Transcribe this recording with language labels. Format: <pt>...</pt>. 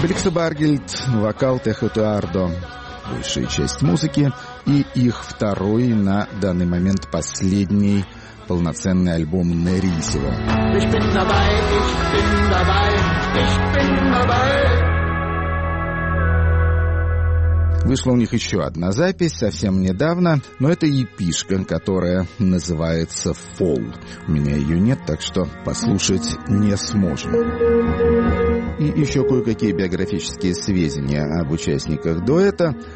<ru>Варгельд, вокал Техету Ардо, большая часть музыки, и их второй, на данный момент, последний полноценный альбом «Nerissimo».</ru> <de>Ich bin dabei, ich bin dabei, ich bin dabei.</de> <ru>Вышла у них еще одна запись совсем недавно, но это EP-шка, которая называется «Fall». У меня ее нет, так что послушать не сможем. И еще кое-какие биографические сведения об участниках дуэта.</ru>